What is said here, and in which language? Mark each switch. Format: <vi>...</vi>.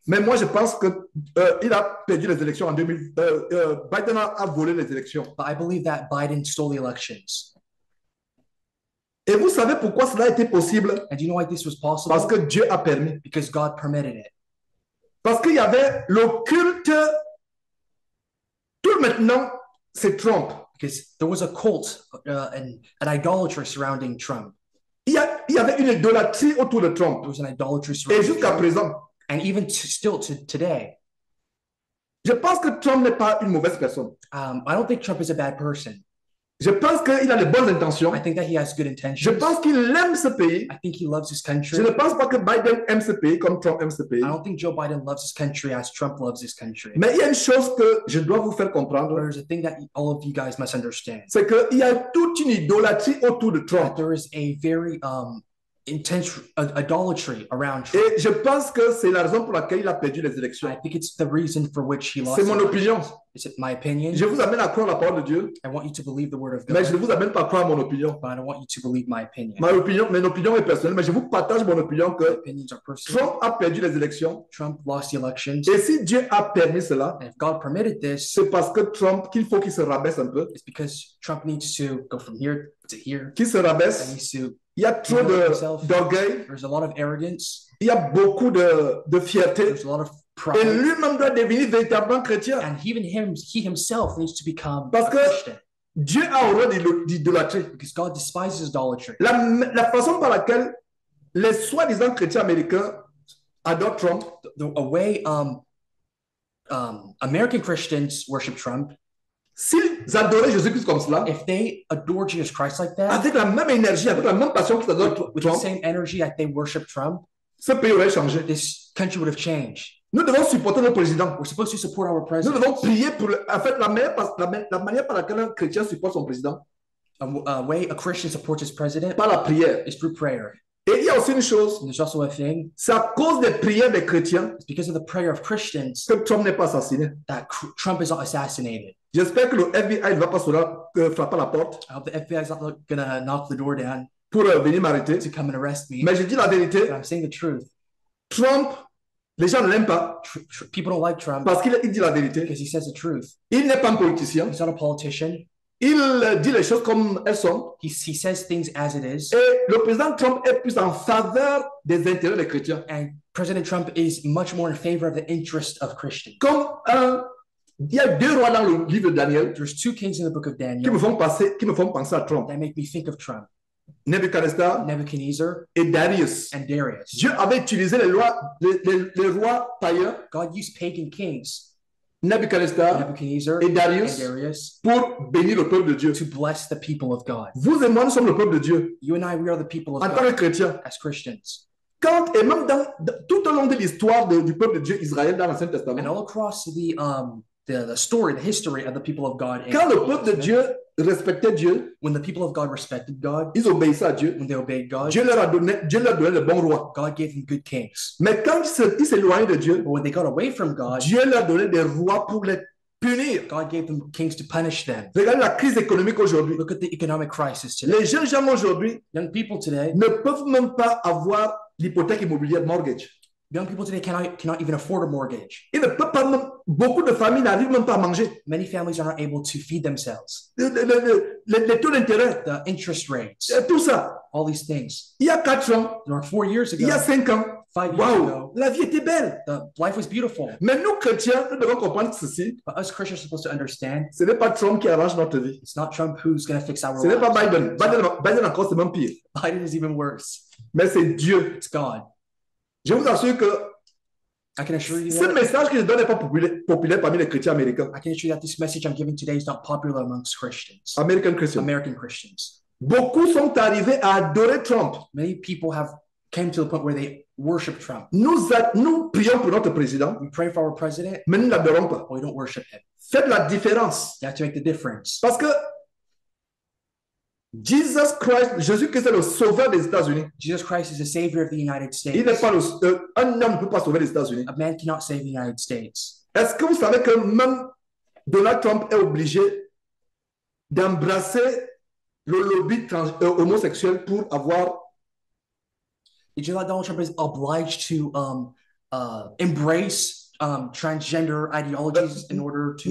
<fr>Mais moi, je pense que il a perdu les élections en 2020. Biden a volé les élections.</fr> <en>But I believe that Biden stole the elections.</en> <fr>Et vous savez pourquoi cela a été possible?</fr> <en>And you know why this was possible?</en> <fr>Parce que Dieu a permis.</fr> <en>Because God permitted it.</en> <fr>Parce qu'il y avait le culte. Tout maintenant, c'est Trump.</fr> <en>Because there was a cult, an idolatry surrounding Trump.</en> <fr>Il y avait une idolâtrie autour de Trump.</fr> <en>There was an idolatry surrounding</en> <fr>Et jusqu'à</fr> <en>Trump.</en> <fr>Présent.</fr> <en>And even still to today.</en> <fr>Je pense que Trump n'est pas une mauvaise personne.</fr> <en>I don't think Trump is a bad person.</en> <fr>Je pense qu'il a les bonnes intentions.</fr> <en>I think that he has good intentions.</en> <fr>Je pense qu'il aime ce pays.</fr> <en>I think he loves his country.</en> <fr>Je ne pense pas que Biden aime ce pays comme Trump aime ce pays.</fr> <en>I don't think Joe Biden loves his country as Trump loves his country.</en> <fr>Mais il y a une chose que je dois vous faire comprendre.</fr> <en>But there's a thing that all of you guys must understand.</en> <fr>C'est qu'il y a toute une idolâtrie autour de Trump.</fr> <en>That there is a very intense idolatry around Trump.</en> <fr>Et je pense que c'est la raison pour laquelle il a perdu les élections.</fr> <en>I think it's the reason for which he lost</en> <fr>C'est mon opinion.</fr> <en>Is it my opinion?</en> <fr>Je vous amène à croire la parole de Dieu.</fr> <en>I want you to believe the word of God.</en> <fr>Mais je ne vous amène pas à croire mon opinion.</fr> <en>But I don't want you to believe my opinion.</en> <fr>Ma opinion, mon opinion est personnelle, mais je vous partage mon opinion que</fr> <en>opinions are personal.</en> <fr>Trump a perdu les élections.</fr> <en>Trump lost the elections.</en> <fr>Et si Dieu a permis cela,</fr> <en>and if God permitted this,</en> <fr>c'est parce que Trump, qu'il faut qu'il se rabaisse un peu.</fr> <en>It's because Trump needs to go from here to here.</en> <fr>Qu'il se rabaisse.</fr> <en>And needs to</en> <fr>il y a trop d'orgueil.</fr> <en>There's a lot of arrogance.</en> <fr>Il y a beaucoup de fierté.</fr> <en>There's a lot of pride.</en> <fr>Et lui-même doit devenir véritablement chrétien.</fr> <en>And even him, he himself needs to become</en> <fr>parce</fr> <en>a</en> <fr>que</fr> <en>Christian.</en> <fr>Dieu a horreur d'idolâtrie.</fr> <en>Because God despises idolatry.</en> <fr>La façon par laquelle les soi-disant chrétiens américains adorent Trump.</fr> <en>The way American Christians worship Trump.</en> <fr>S'ils adoraient Jésus-Christ comme cela,</fr> <en>if they adore Jesus Christ like that,</en> <fr>avec la même énergie, avec la même passion qu'ils adorent</fr> <en>with</en> <fr>Trump,</fr> <en>the same energy that they worship Trump,</en> <fr>ce pays aurait changé.</fr> <en>This country would have changed.</en> <fr>Nous devons supporter notre président.</fr> <en>We're supposed to support our president.</en> <fr>Nous devons prier pour le, en fait, la manière par laquelle un chrétien supporte son président.</fr> <en>A way a Christian supports his president.</en> <fr>Par la prière.</fr> <en>Is through prayer.</en> <fr>Et il y a aussi une chose.</fr> <en>And there's also a thing.</en> <fr>C'est à cause des prières des chrétiens.</fr> <en>It's because of the prayer of Christians.</en> <fr>Que Trump n'est pas assassiné.</fr> <en>That Trump is not assassinated.</en> <fr>J'espère que le FBI ne va pas se frapper à la porte.</fr> <en>I hope the FBI is not gonna knock the door down.</en> <fr>Pour venir m'arrêter.</fr> <en>To come and arrest me.</en> <fr>Mais je dis la vérité.</fr> <en>But I'm saying the truth.</en> <fr>Trump, les gens ne l'aiment pas.</fr> <en>People don't like Trump.</en> <fr>Parce qu'il dit la vérité.</fr> <en>Because he says the truth.</en> <fr>Il n'est pas un politicien.</fr> <en>He's not a politician.</en> <fr>Il dit les choses comme elles sont.</fr> <en>He says things as it is.</en> <fr>Et le président Trump est plus en faveur des intérêts des chrétiens.</fr> <en>And President Trump is much more in favor of the interests of Christians.</en> <fr>Comme un il y a deux rois dans le livre de Daniel.</fr> <en>There's two kings in the book of Daniel.</en> <fr>Qui me font penser à Trump.</fr> <en>That make me think of Trump.</en> <fr>Nebuchadnezzar et Darius.</fr> <en>And Darius.</en> <fr>Dieu avait utilisé les rois païens.</fr> <en>God used pagan kings.</en> <fr>Nebuchadnezzar et Darius,</fr> <en>and Darius</en> <fr>pour bénir le peuple de Dieu.</fr> <en>To bless the people of God.</en> <fr>Vous et moi nous sommes le peuple de Dieu.</fr> <en>You and I, we are the people of</en> <fr>en</fr> <en>God.</en> <fr>En tant que chrétiens.</fr> <en>As Christians.</en> <fr>Quand et même dans tout au long de l'histoire du peuple de Dieu Israël dans l'Ancien Testament.</fr> <en>And all across the story, the history of the people of God.</en> <fr>Quand le peuple de Dieu respectait Dieu,</fr> <en>when the people of God respected God,</en> <fr>ils obéissaient à Dieu,</fr> <en>when they obeyed God,</en> <fr>Dieu leur a donné le bon roi.</fr> <en>God gave them good kings.</en> <fr>Mais quand ils s'éloignaient de Dieu,</fr> <en>but when they got away from God,</en> <fr>Dieu leur donnait des rois pour les punir.</fr> <en>God gave them kings to punish them.</en> <fr>Regardez la crise économique aujourd'hui.</fr> <en>Look at the economic crisis today.</en> <fr>Les jeunes gens aujourd'hui,</fr> <en>young people today,</en> <fr>ne peuvent même pas avoir l'hypothèque immobilière mortgage.</fr> <en>Young people today cannot even afford a mortgage.</en> <fr>Et ne peut pas même, beaucoup de familles n'arrivent même pas à manger.</fr> <en>Many families are not able to feed themselves.</en> <fr>Les taux d'intérêt.</fr> <en>The interest rates.</en> <fr>Tout ça.</fr> <en>All these things.</en> <fr>Il y a 4 ans.</fr> <en>There are 4 years ago.</en> <fr>Il y a 5 ans.</fr> <en>5 years wow. ago.</en> <fr>La vie était belle.</fr> <en>The life was beautiful.</en> <fr>Mais nous chrétiens, nous devons comprendre ceci.</fr> <en>But us Christians are supposed to understand.</en> <fr>Ce n'est pas Trump qui arrange notre vie.</fr> <en>It's not Trump who's going to fix our</en> <fr>lives. Ce n'est pas Biden. Biden encore c'est même pire.</fr> <en>Biden is even worse.</en> <fr>Mais c'est Dieu.</fr> <en>It's God.</en> <fr>Je vous assure que</fr> <en>I can assure you</en> <fr>ce message que je donne n'est pas populaire parmi les chrétiens américains.</fr> <en>I can assure you that this message I'm giving today is not popular amongst Christians. American Christians. American Christians.</en> <fr>Beaucoup sont arrivés à adorer Trump.</fr> <en>Many people have came to the point where they worship Trump.</en> <fr>Nous prions pour notre président.</fr> <en>We pray for our president.</en> <fr>Mais nous l'adorons pas.</fr> <en>We don't worship him.</en> <fr>Faites la différence.</fr> <en>You have to make the difference.</en> <fr>Parce que Jesus Christ, Jésus-Christ est le sauveur des États-Unis.</fr> <en>Jesus Christ is the savior of the United States.</en> <fr>Il n'est pas un homme ne peut pas sauver les États-Unis.</fr> <en>A man cannot save the United States.</en> <fr>Est-ce que vous savez que même Donald Trump est obligé d'embrasser le lobby homosexuel pour avoir?</fr> <en>Did you know that Donald Trump is obliged to embrace transgender ideologies but, in order to</en>